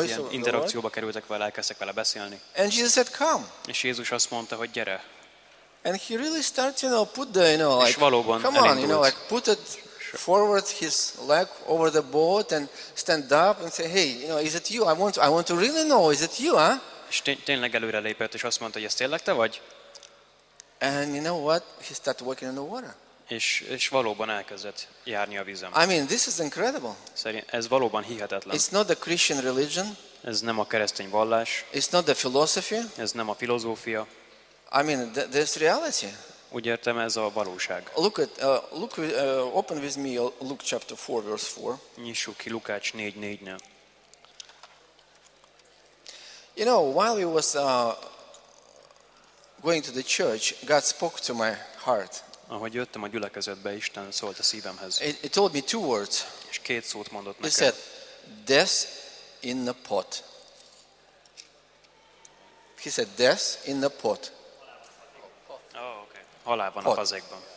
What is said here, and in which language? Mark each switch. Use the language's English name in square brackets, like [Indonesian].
[Hungarian] Interakcióba kerültek vele, elkezdtek vele beszélni. [English] And Jesus said, "Come." [Hungarian] És Jézus azt mondta, hogy gyere. [English] And he really starts, you know, put the, you know, like, come [Hungarian] elindult. [English] On, you know, like, put it forward his leg over the boat and stand up and say, "Hey, you know, is it you? I want to really know, is it you, huh?" [Hungarian] És tényleg előre lépett, és azt mondta, hogy ez tényleg te vagy. [English] And you know what? He started walking on the water. [Hungarian] És valóban elkezdett járni a vízen. [English] I mean, this is incredible. [Hungarian] Szerintem ez valóban hihetetlen. [English] It's not the Christian religion. [Hungarian] Ez nem a keresztény vallás. [English] It's not the philosophy. [Hungarian] Ez nem a filozófia. [English] I mean, this reality. [Hungarian] Úgy értem, ez a valóság. [English] Open with me Luke chapter 4 verse 4. [Hungarian] Nyissuk ki Lukács 4:4-nél. [English] You know, while I was going to the church, God spoke to my heart. [Hungarian] Ahogy jöttem a gyülekezetbe, Isten szólt a szívemhez. [English] It told me two words. [Hungarian] És két szót mondott nekem. [English] He said, death in the pot. He said, death in the pot. Oh, okay. [Hungarian] Halál van pot. A fazékban.